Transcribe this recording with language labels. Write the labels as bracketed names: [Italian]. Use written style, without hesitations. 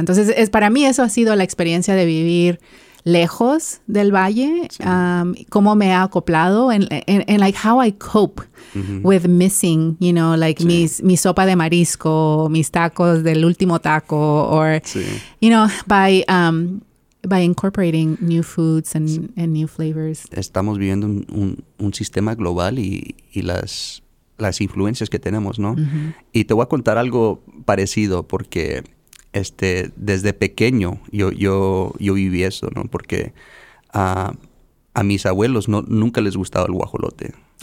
[Spanish] Entonces, es para mí eso ha sido la experiencia de vivir lejos del valle, sí. [English] Cómo me he acoplado en like how I cope with missing, you know, like sí. [Spanish] mi sopa de marisco, mis tacos del último taco, or sí. [English] you know, by incorporating new foods and new flavors. [Spanish] Estamos viviendo un sistema global y las influencias que tenemos, ¿no? Uh-huh. Y te voy a contar algo parecido porque desde pequeño yo viví eso, ¿no? Porque a mis abuelos nunca les gustaba el guajolote.